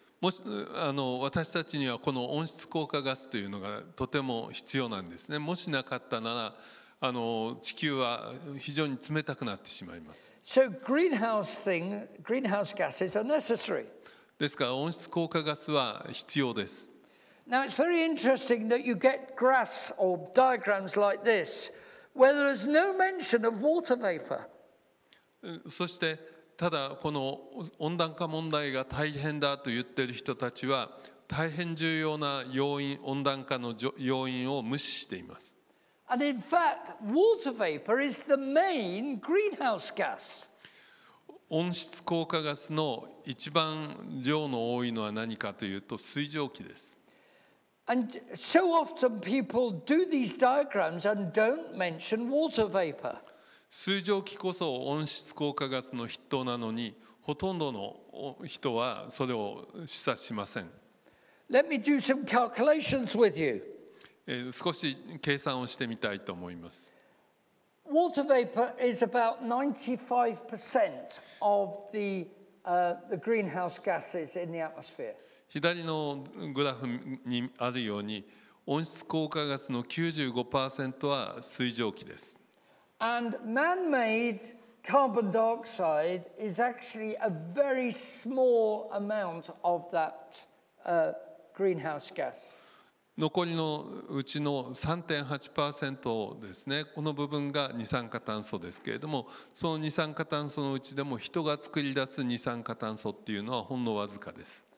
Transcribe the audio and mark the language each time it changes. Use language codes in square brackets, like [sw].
[ja] もし私たちにはこの温室効果ガスというのがとても必要なんですね。もしなかったなら地球は非常に冷たくなってしまいます。 [en] So greenhouse gases are necessary. [ja] ですから温室効果ガスは必要です。 [en] Now it's very interesting that you get graphs or diagrams like this where there is no mention of water vapor. [ja] そしてただこの温暖化問題が大変だと言っている人たちは大変重要な要因、温暖化の要因を無視しています。 [en] And in fact, water vapor is the main greenhouse gas. [ja] 温室効果ガスの一番量の多いのは何かというと水蒸気です。 [en] And so often people do these diagrams and don't mention water vapor. [ja] 水蒸気こそ温室効果ガスの筆頭なのに、ほとんどの人はそれを示唆しません。 [en] Let me do some calculations with you. [ja] 少し計算をしてみたいと思います。 [en] Water vapor is about 95% of the greenhouse gases in the atmosphere. [ja] 左のグラフにあるように、温室効果ガスの 95% は水蒸気です。 [en] And man-made carbon dioxide is actually a very small amount of that greenhouse gas. [ja] 残りのうちの 3.8% ですね、この部分が二酸化炭素ですけれども、その二酸化炭素のうちでも人が作り出す二酸化炭素っていうのはほんのわずかです。